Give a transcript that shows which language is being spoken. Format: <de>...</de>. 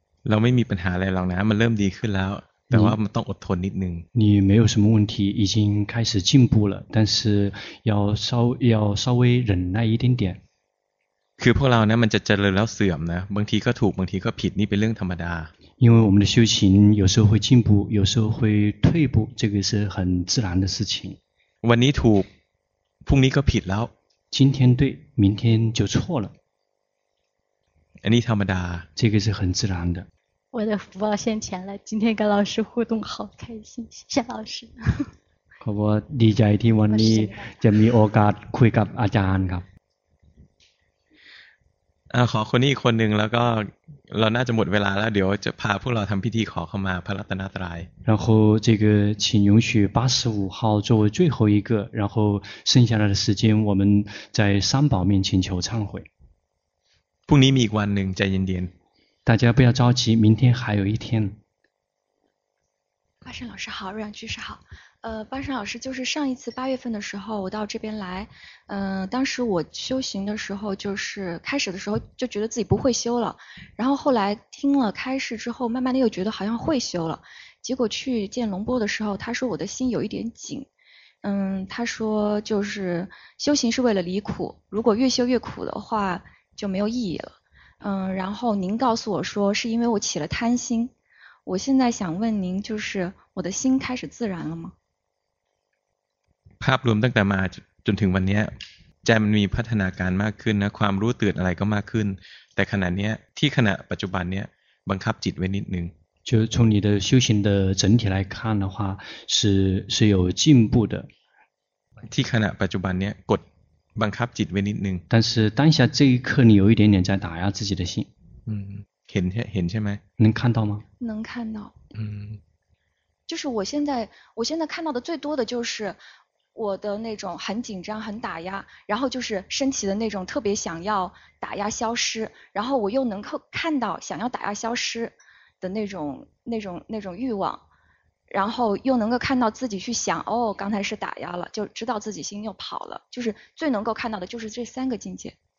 <th>เราไม่มีปัญหาอะไรหรอกนะมันเริ่มดีขึ้นแล้วแต่ว่ามันต้องอดทนนิดนึง</th> <zh>你没有什么问题，已经开始进步了，但是要稍微忍耐一点点。</zh> <th>คือพวกเราเนี่ยมันจะเจริญแล้วเสื่อมนะบางทีก็ถูกบางทีก็ผิดนี่เป็นเรื่องธรรมดา</th> <zh>因为我们的修行有时候会进步，有时候会退步，这个是很自然的事情。</zh> <th>วันนี้ถูกพรุ่งนี้ก็ผิดแล้ว</th> <zh>今天对，明天就错了。</zh> <th>อันนี้ธรรมดา</th> <zh>这个是很自然的。我的福报现前了，今天跟老师互动好开心，谢谢老师。</zh> <th>ขอบดีใจที่วันนี้จะมีโอกาสคุยกับอาจารย์ครับ ขอคนนี้อีกคนหนึ่งแล้วก็เราน่าจะหมดเวลาแล้วเดี๋ยวจะพาพวกเราทำพิธีขอเข้ามาพระรัตนตรัย</th> <zh>然后这个请允许85号作为最后一个，然后剩下来的时间我们在三宝面前求忏悔。</zh> <th>พรุ่งนี้มีอีกวันหนึ่งใจเย็นๆ</th> <zh>大家不要着急，明天还有一天。巴山老师好，瑞阳居士好。巴山老师，就是上一次8月份的时候，我到这边来，当时我修行的时候，就是开始的时候就觉得自己不会修了，然后后来听了开示之后，慢慢的又觉得好像会修了。结果去见龙波的时候，他说我的心有一点紧，他说就是修行是为了离苦，如果越修越苦的话，就没有意义了。然后您告诉我说是因为我起了贪心，我现在想问您，就是我的心开始自然了吗？</zh> <th>ภาพรวมตั้งแต่มาจนถึงวันนี้ใจมันมีพัฒนาการมากขึ้นนะความรู้ตื่นอะไรก็มากขึ้นแต่ขณะนี้ที่ขณะปัจจุบันนี้บังคับจิตไว้นิดนึง</th> <zh>就从你的修行的整体来看的话是有进步的</zh> <th>ที่ขณะปัจจุบันนี้กดบังคับจิตไว้นิดนึง</th> <zh>但是当下这一刻你有一点点在打压自己的心</zh> <th>เห็นใช่ไหม</th> <zh>能看到吗能看到就是我现在看到的最多的就是我的那种很紧张很打压然后就是身体的那种特别想要打压消失然后我又能够看到想要打压消失的那种欲望然后又能够看到自己去想哦刚才是打压了就知道自己心又跑了就是最能够看到的就是这三个境界</zh>